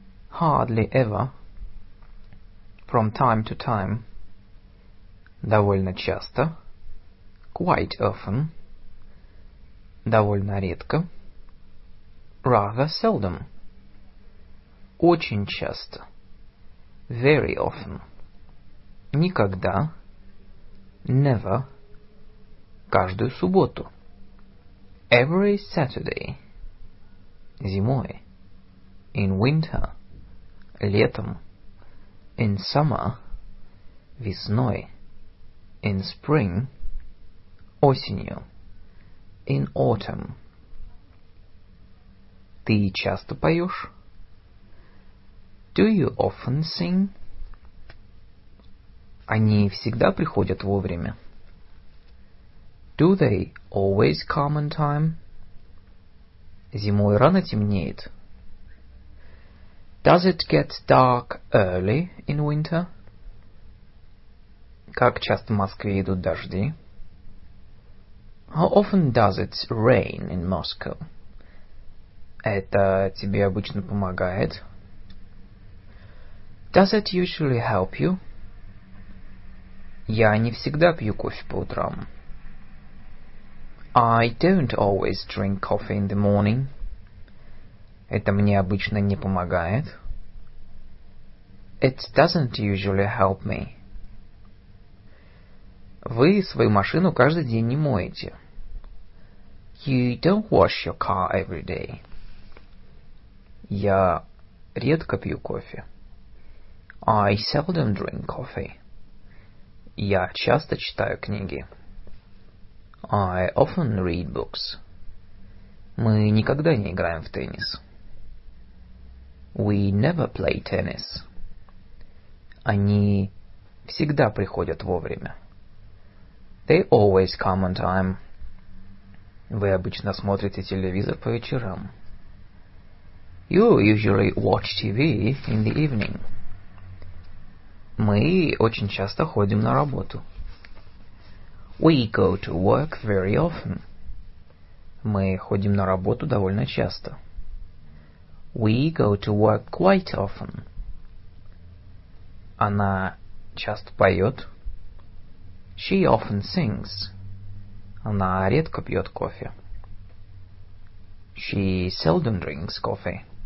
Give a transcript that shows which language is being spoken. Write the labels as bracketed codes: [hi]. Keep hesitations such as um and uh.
[en] Hardly ever. From time to time. [ru] Довольно часто. [en] Quite often. [ru] Довольно редко. [en] Rather seldom. [ru] Очень часто [en] very often. [ru] Никогда, [en] never, [ru] каждую субботу. [en] Every Saturday, [ru] зимой, [en] in winter, [ru] летом, [en] in summer, [ru] весной, [en] in spring, [ru] осенью, [en] in autumn. [ru] Ты часто поешь? [en] Do you often sing? [ru] Они всегда приходят вовремя. [en] Do they always come on time? [ru] Зимой рано темнеет. [en] Does it get dark early in winter? [ru] Как часто в Москве идут дожди? [en] How often does it rain in Moscow? [ru] Это тебе обычно помогает? [en] Does it usually help you? [ru] Я не всегда пью кофе по утрам. [en] I don't always drink coffee in the morning. [ru] Это мне обычно не помогает. [en] It doesn't usually help me. [ru] Вы свою машину каждый день не моете. [en] You don't wash your car every day. [ru] Я редко пью кофе. [en] I seldom drink coffee. [ru] Я часто читаю книги. [en] I often read books. [ru] Мы никогда не играем в теннис. [en] We never play tennis. [ru] Они всегда приходят вовремя. [en] They always come on time. [ru] Вы обычно смотрите телевизор по вечерам. [en] You usually watch TV in the evening. [ru] Мы очень часто ходим на работу. [en] We go to work very often. [ru] Мы ходим на работу довольно часто. [en] We go to work quite often. [ru] Она часто поет. [en] She often sings. [ru] Она редко пьет кофе. [en] She seldom drinks coffee.